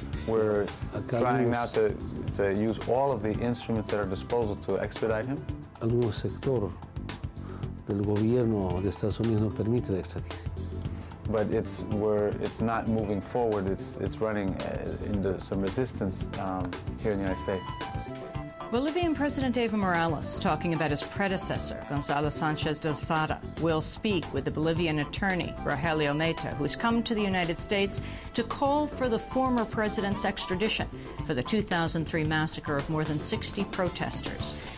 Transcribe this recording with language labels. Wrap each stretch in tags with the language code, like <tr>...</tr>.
<en>We're trying now to use all of the instruments at our disposal to expedite him.</en> <es>Algún sector del gobierno de Estados Unidos no permite la extradición.</es> <en>But it's not moving forward. It's running into some resistance here in the United States. Bolivian President Evo Morales talking about his predecessor, Gonzalo Sanchez de Sada, will speak with the Bolivian attorney, Rogelio Mehta, who's come to the United States to call for the former president's extradition for the 2003 massacre of more than 60 protesters.</en>